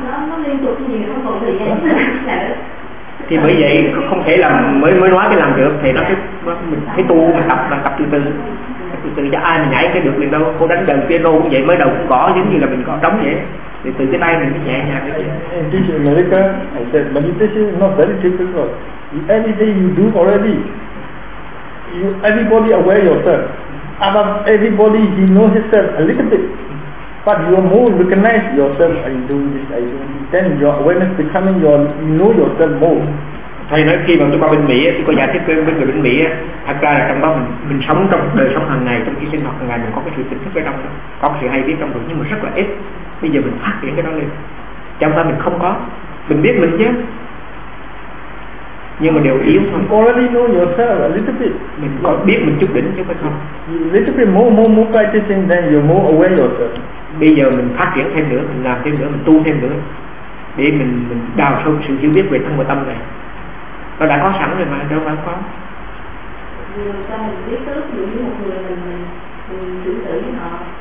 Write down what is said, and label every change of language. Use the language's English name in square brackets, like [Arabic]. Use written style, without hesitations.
[Vietnamese] Nó liên tục nhiều, nó còn thời gian. thì bởi vậy không thể làm mới nói cái làm được, thì nó mình phải tu, mình tập từ từ. Từ từ cho ai mình nhảy cái được liền đâu. Cô đánh đờn piano cũng vậy, mới đầu cũng có giống như là mình có trống vậy. Thì từ cái tay mình mới nhẹ nhàng cái gì. [English] In America, I said meditation is not very difficult. Anything you do already, you everybody aware yourself. About everybody, he knows himself a little bit. But you are more recognize yourself and doing this. Then your awareness becoming your, you know yourself more. [Vietnamese] Thầy nói khi mà tôi qua bên Mỹ, tôi có giải thích với người bên Mỹ, thật ra là trong đó mình sống trong đời sống hàng ngày, trong cái sinh hoạt hàng ngày mình có cái sự tỉnh thức ở trong, có cái sự hay biết trong đó, nhưng mà rất là ít. Bây giờ mình phát triển cái đó lên. Trong đó mình không có, mình biết mình chứ, nhưng mà đều yếu thôi. [English] You already know yourself a little bit. [Vietnamese] Mình có biết mình chút đỉnh chứ phải không? [English] A little bit more practicing, then you're more aware yourself. [Vietnamese] Bây giờ mình phát triển thêm nữa, mình làm thêm nữa, mình tu thêm nữa, để mình đào sâu sự hiểu biết về thân và tâm này. Nó đã có sẵn rồi mà, đâu phải không? Người ta mình biết trước, giữ một người mình giữ tử với họ.